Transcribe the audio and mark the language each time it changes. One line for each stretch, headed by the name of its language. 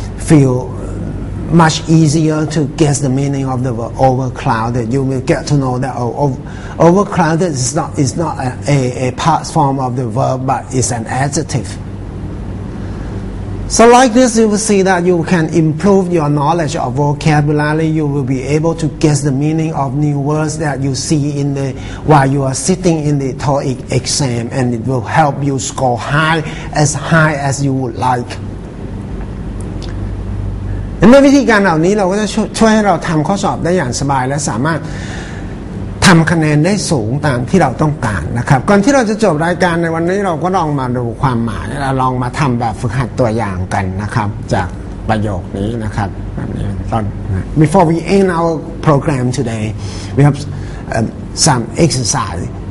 English: feel much easier to guess the meaning of the word overcrowded you will get to know that overcrowded is not a past form of the verb but it's an adjective So like this, you will see that you can improve your knowledge of vocabulary. You will be able to guess the meaning of new words that you see in the while you are sitting in the TOEIC exam, and it will help you score high as you would like.
Thai: ด้วยวิธีการเหล่านี้เราก็จะช่วยให้เราทำข้อสอบได้อย่างสบายและสามารถทำคะแนนได้สูงตามที่เราต้องการนะครับก่อนที่เราจะจบรายการในวันนี้เราก็ลองมาดูความหมายเราลองมาทำแบบฝึกหัดตัวอย่างกันนะครับจากประโยคนี้นะครับตอน
English: Before we end our program today we have some exercise